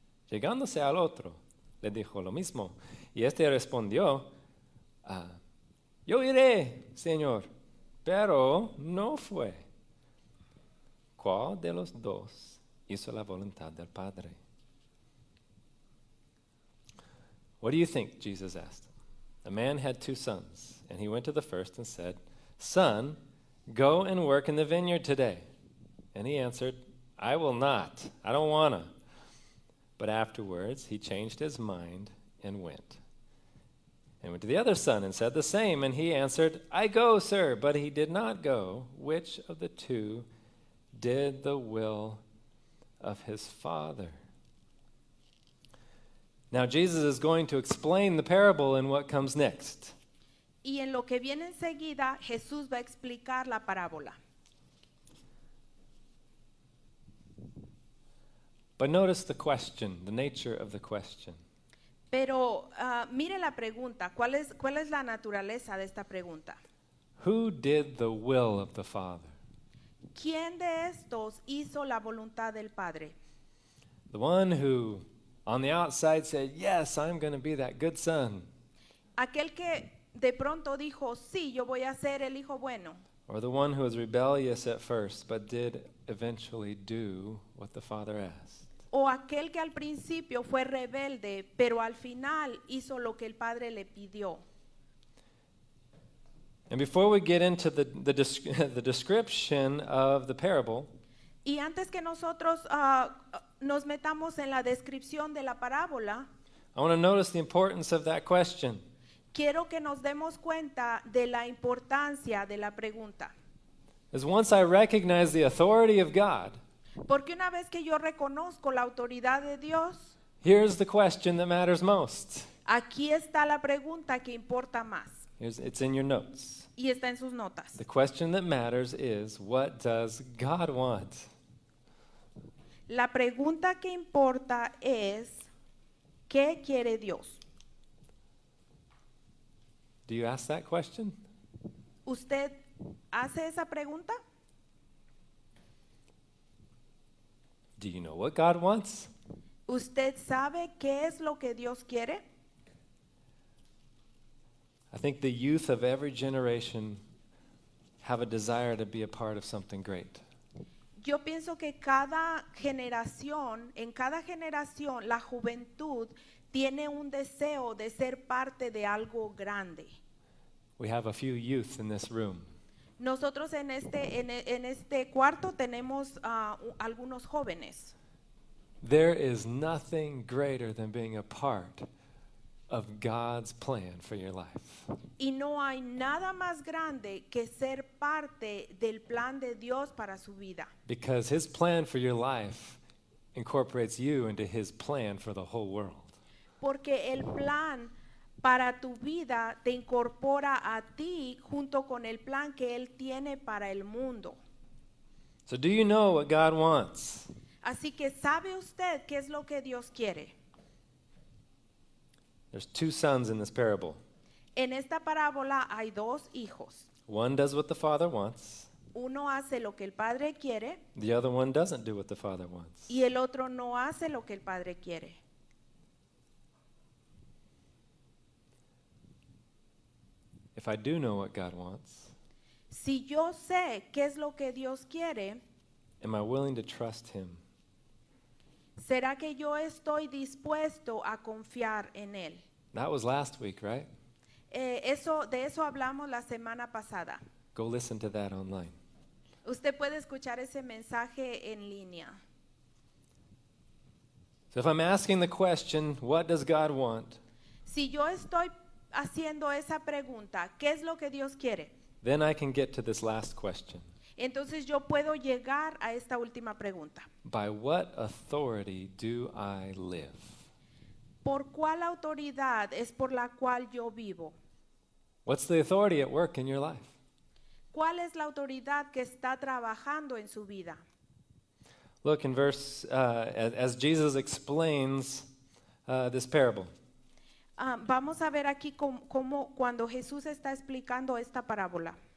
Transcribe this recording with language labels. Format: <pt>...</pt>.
<es>Llegándose al otro, le dijo lo mismo. Y este respondió, yo iré, Señor, pero no fue. ¿Cuál de los dos hizo la voluntad del Padre?</es> <en>What do you think? Jesus asked. A man had two sons, and he went to the first and said, son, go and work in the vineyard today. And he answered, I will not. I don't want to. But afterwards, he changed his mind and went. And went to the other son and said the same. And he answered, I go, sir. But he did not go. Which of the two did the will of his father? Now Jesus is going to explain the parable in what comes next.</en> <es>Y en lo que viene enseguida, Jesús va a explicar la parábola.</es> <en>But notice the question, the nature of the question.</en> <es>Pero mire la pregunta, ¿cuál es la naturaleza de esta pregunta?</es> <en>Who did the will of the Father?</en> <es>¿Quién de estos hizo la voluntad del Padre?</es> <en>The one who on the outside said, "Yes, I'm going to be that good son."</en> <es>Aquel que de pronto dijo, "Sí, yo voy a ser el hijo bueno."</es> <en>Or the one who was rebellious at first but did eventually do what the Father asked.</en> <es>O aquel que al principio fue rebelde, pero al final hizo lo que el Padre le pidió.</es> <en>And before we get into the description of the parable,</en> <es>y antes que nosotros nos metamos en la descripción de la parábola,</es> <en>I want to notice the importance of that question.</en> <es>Quiero que nos demos cuenta de la importancia de la pregunta.</es> <en>As once I recognize the authority of God,</en> <es>porque una vez que yo reconozco la autoridad de Dios,</es> <en>here's the question that matters most.</en> <es>Aquí está la pregunta que importa más.</es> <en>It's in your notes.</en> <es>Y está en sus notas.</es> <en>The question that matters is, what does God want?</en> <es>La pregunta que importa es, ¿qué quiere Dios?</es> <en>Do you ask that question?</en> <es>¿Usted hace esa pregunta?</es> <en>Do you know what God wants?</en> <es>¿Usted sabe qué es lo que Dios quiere?</es> <en>I think the youth of every generation have a desire to be a part of something great.</en> <es>Yo pienso que cada generación, en cada generación, la juventud tiene un deseo de ser parte de algo grande.</es> <en>We have a few youth in this room.</en> <es>Nosotros en este cuarto tenemos algunos jóvenes.</es> <en>There is nothing greater than being a part of God's plan for your life.</en> <es>Y no hay nada más grande que ser parte del plan de Dios para su vida.</es> <en>Because his plan for your life incorporates you into his plan for the whole world.</en> <es>Porque el plan para tu vida te incorpora a ti junto con el plan que él tiene para el mundo.</es> <en>So do you know what God wants?</en> <es>Así que ¿sabe usted qué es lo que Dios quiere?</es> <en>There's two sons in this parable.</en> <es>En esta parábola hay dos hijos.</es> <en>One does what the father wants.</en> <es>Uno hace lo que el padre quiere.</es> <en>The other one doesn't do what the father wants.</en> <es>Y el otro no hace lo que el padre quiere.</es> <en>If I do know what God wants,</en> <es>si yo sé qué es lo que Dios quiere,</es> <en>am I willing to trust him?</en> <es>¿Será que yo estoy dispuesto a confiar en él?</es> <en>That was last week, right?</en> <es>De eso hablamos la semana pasada.</es> <en>Go listen to that online.</en> <es>Usted puede escuchar ese mensaje en línea.</es> <en>So if I'm asking the question, what does God want?</en> <es>Si yo estoy haciendo esa pregunta, ¿qué es lo que Dios quiere?</es> <en>Then I can get to this last question.</en> <es>Entonces yo puedo llegar a esta última pregunta.</es> <en>By what authority do I live?</en> <es>¿Por cuál autoridad es por la cual yo vivo?</es> <en>What's the authority at work in your life?</en> <es>¿Cuál es la autoridad que está trabajando en su vida?</es> <en>Look in as Jesus explains this parable.</en> <es>Vamos a ver aquí cómo cuando Jesús está explicando esta parábola.</es>